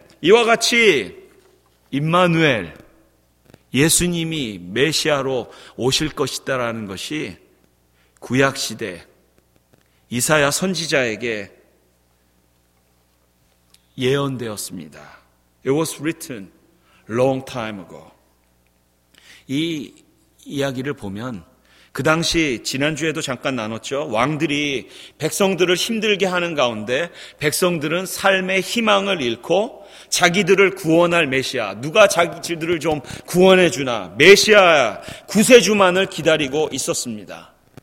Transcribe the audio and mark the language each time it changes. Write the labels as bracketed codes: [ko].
[ko] 이와 같이 임마누엘, 예수님이 메시아로 오실 것이다라는 것이 구약시대 이사야 선지자에게 예언되었습니다. [en] It was written long time ago. [ko] 이 이야기를 보면 그 당시 지난주에도 잠깐 나눴죠. 왕들이 백성들을 힘들게 하는 가운데 백성들은 삶의 희망을 잃고 자기들을 구원할 메시아, 누가 자기들을 좀 구원해 주나, 메시아 구세주만을 기다리고 있었습니다.